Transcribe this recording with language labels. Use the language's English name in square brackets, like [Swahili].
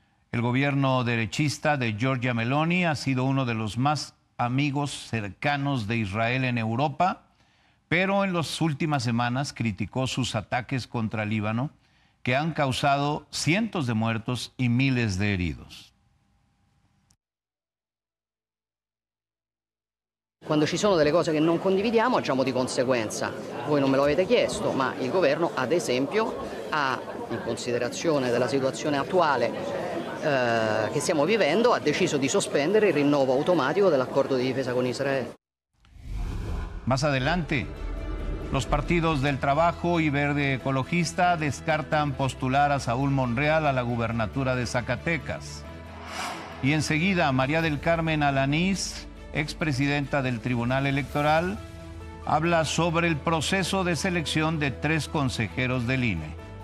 [Spanish] El gobierno derechista de Giorgia Meloni ha sido uno de los más amigos cercanos de Israel en Europa, pero en las últimas semanas criticó sus ataques contra Líbano, que han causado cientos de muertos y miles de heridos. [Italian] Quando ci sono delle cose che non condividiamo, agiamo di conseguenza. Voi non me lo avete chiesto, ma il governo, ad esempio, ha, in considerazione della situazione attuale che stiamo vivendo, ha deciso di sospendere il rinnovo automatico dell'accordo di difesa con Israele. [Spanish] Más adelante, los partidos del Trabajo y Verde Ecologista descartan postular a Saúl Monreal a la gubernatura de Zacatecas. Y enseguida, María del Carmen Alanís, expresidenta del Tribunal Electoral, habla sobre el proceso de selección de tres consejeros del INE.